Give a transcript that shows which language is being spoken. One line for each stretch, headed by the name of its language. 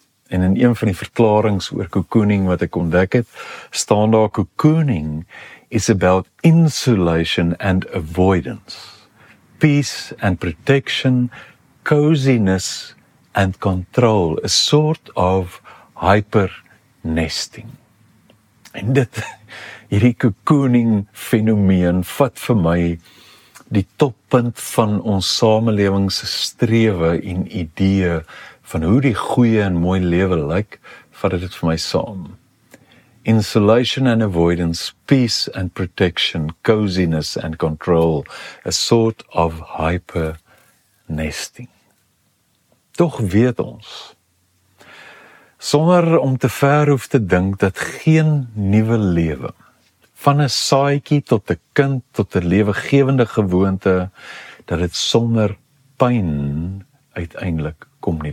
Afrikaans: En in een van die verklarings oor cocooning wat ek ontdek het, staan daar
English: cocooning is about insulation and avoidance, peace and protection, coziness and control, a sort of hyper-nesting.
Afrikaans: En dit, hierdie cocooning fenomeen, vat vir my die toppunt van ons samelewingse strewe en idee van hoe die goeie en mooi lewe lyk, vat dit vir my saam.
English: Insulation and avoidance, peace and protection, coziness and control, a sort of hyper-nesting.
Afrikaans: Toch weet ons, sonder om te ver hoef te dink dat geen nuwe lewe, van 'n saaitjie tot 'n kind tot 'n lewegewende gewoonte, dat dit sonder pyn uiteindelik kom nie.